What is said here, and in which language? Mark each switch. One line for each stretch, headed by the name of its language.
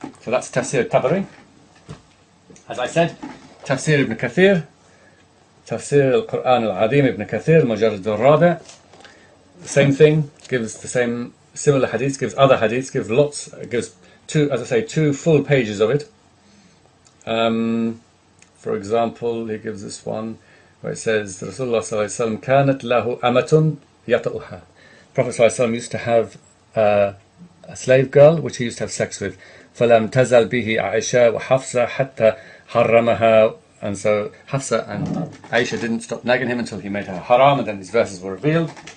English: So that's Tafsir Tabari. As I said, Tafsir Ibn Kathir, Tafsir al-Quran al-Azim Ibn Kathir, Mujarrad al-Rabi, same thing, gives the same, similar hadith, gives other hadiths, gives lots, gives two, as I say, two full pages of it. For example, he gives this one where it says, Rasulullah sallallahu alayhi wa sallam,
Arabic: كانت له أمتٌ يطأها.
English: Prophet sallallahu alayhi wa sallam used to have a slave girl, which he used to have sex with.
Arabic: فلم تزل به عائشة وحفصة حتى حرمها.
English: And so Hafsa and Aisha didn't stop nagging him until he made her haram, and then these verses were revealed.